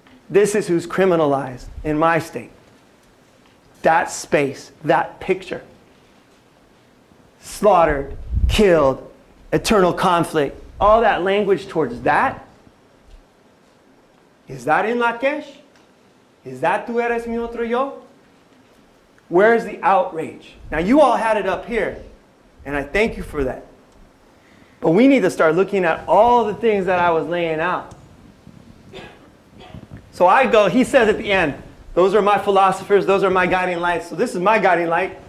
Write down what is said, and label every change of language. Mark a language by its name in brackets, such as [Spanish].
[English] This is who's criminalized in my state. That space, that picture. Slaughtered, killed, eternal conflict, all that language towards that. Is that in Lakesh? Is that [Spanish] tú eres mi otro yo? [English] Where's the outrage? Now you all had it up here, and I thank you for that. But we need to start looking at all the things that I was laying out. So I go, he says at the end, those are my philosophers, those are my guiding lights. So this is my guiding light.